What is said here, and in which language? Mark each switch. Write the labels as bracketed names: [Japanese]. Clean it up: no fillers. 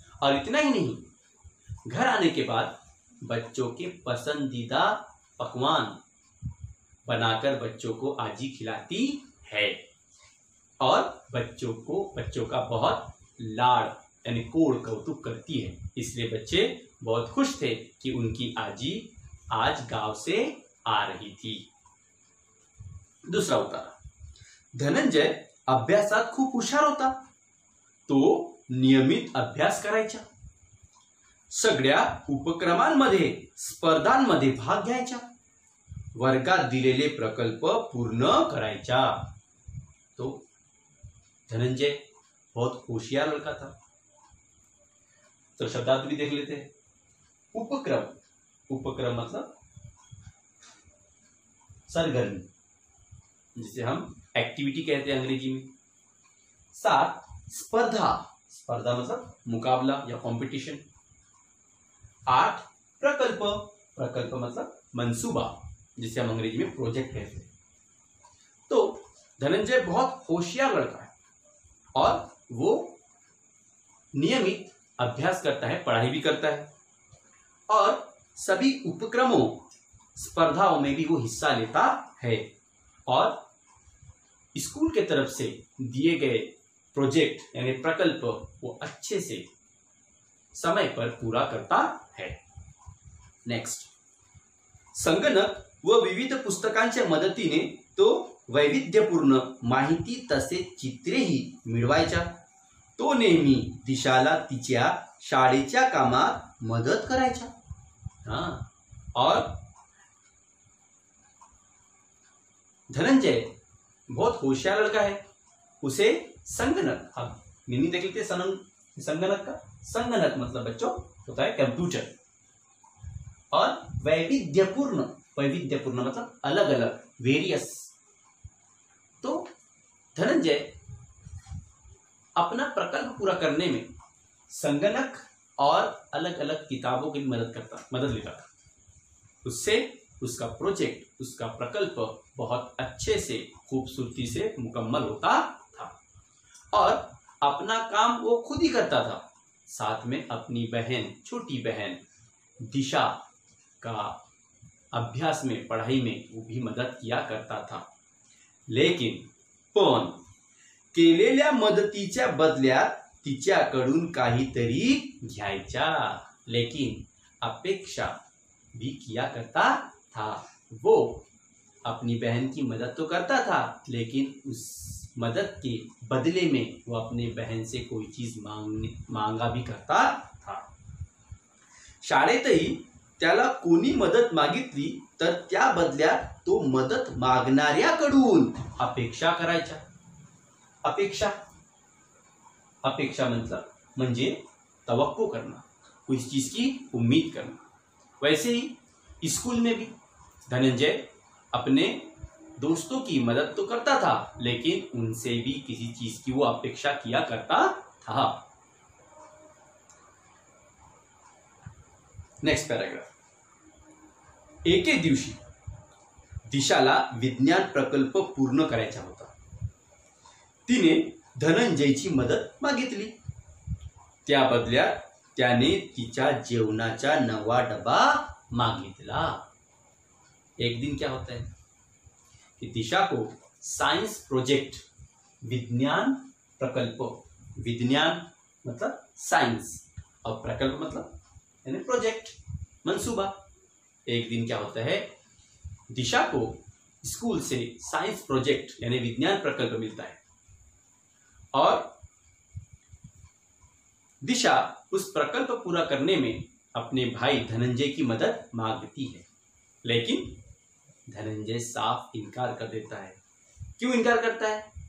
[Hindi] और इतना ही नहीं, घर आने के बाद बच्चों के पसंदीदा पकवान बनाकर बच्चों को आजी खिलाती है, और बच्चों को बच्चों का बहुत लाड़ यानी कोड़ कौतुक करती है। इसलिए बच्चे बहुत खुश थे कि उनकी आजी आज गांव से आ रही थी। दूसरा उतारा, [Marathi] धनंजय अभ्यासात खूब हुशार होता तो नियमित अभ्यास करायचा, सगळ्या उपक्रमांमध्ये स्पर्धांमध्ये भाग घ्यायचा, वर्गात दिलेले प्रकल्प पूर्ण करायचा। [Hindi] तो धनंजय बहुत होशियार लड़का था। तो शब्दार्थ भी देख लेते हैं, उपक्रम, उपक्रम मतलब सरगर्मी, जिसे हम एक्टिविटी कहते हैं अंग्रेजी में। साथ स्पर्धा, स्पर्धा मतलब मुकाबला या कंपटीशन। आठ प्रकल्प, प्रकल्प मतलब मंसूबा, जिसे हम अंग्रेजी में प्रोजेक्ट कहते हैं। तो धनंजय बहुत होशियार लड़का है और वो नियमित अभ्यास करता है, पढ़ाई भी करता है, और सभी उपक्रमों स्पर्धाओं में भी वो हिस्सा लेता है, और स्कूल के तरफ से दिए गए प्रोजेक्ट यानी प्रकल्प वो अच्छे से समय पर पूरा करता है। [Marathi] नेक्स्ट, संगणक व विविध पुस्तकांच्या मदतीने तो वैविध्यपूर्ण माहिती तसे चित्रेही मिळवायचा, तो नेहमी दिशाला तिच्या शाळेच्या कामात मदत करायचा। [Hindi] हा, और धनंजय बहुत होशियार लड़का है, उसे संगणक, हाँ मिनी देख लेते संगणक का, संगणक मतलब बच्चों होता है कंप्यूटर, और वैविध्यपूर्ण, वैविध्यपूर्ण मतलब अलग अलग वेरियस। तो धनंजय अपना प्रकल्प पूरा करने में संगणक और अलग अलग किताबों की मदद करता, मदद लेता था, उससे उसका प्रोजेक्ट, उसका प्रकल्प बहुत अच्छे से खूबसूरती से मुकम्मल होता था, और अपना काम वो खुद ही करता था, साथ में अपनी बहन, छोटी बहन दिशा का अभ्यास में, पढ़ाई में वो भी मदद किया करता था। [Marathi] लेकिन पण केलेल्या मदतीच्या बदल्यात तिच्याकडून काहीतरी घ्यायचा, [Hindi] लेकिन अपेक्षा भी किया करता था। वो अपनी बहन की मदद तो करता था, लेकिन उस मदद के बदले में वो अपने बहन से कोई चीज मांगा भी करता था। [Marathi] शाळेतही त्याला कोणी मदत मागितली तर त्या बदल्यात तो मदत मागणाऱ्याकडून अपेक्षा करायचा। [Hindi] अपेक्षा, अपेक्षा मतलब म्हणजे तवक्को करना, कोई चीज की उम्मीद करना। वैसे ही स्कूल में भी धनंजय अपने दोस्तों की मदद तो करता था, लेकिन उनसे भी किसी चीज की वो अपेक्षा किया करता था। [English] next paragraph, [Marathi] एके दिवशी दिशाला विज्ञान प्रकल्प पूर्ण करायचा होता, तिने धनंजयची मदत मागितली, त्या बदल्यात त्याने तिच्या जेवणाचा नवा डबा मागितला। [Hindi] एक दिन क्या होता है कि दिशा को साइंस प्रोजेक्ट, विज्ञान प्रकल्प, विज्ञान मतलब साइंस और प्रकल्प मतलब यानी प्रोजेक्ट, मंसूबा। एक दिन क्या होता है, दिशा को स्कूल से साइंस प्रोजेक्ट यानी विज्ञान प्रकल्प मिलता है, और दिशा उस प्रकल्प पूरा करने में अपने भाई धनंजय की मदद मांगती है, लेकिन धनंजय साफ इनकार कर देता है। क्यों इनकार करता है?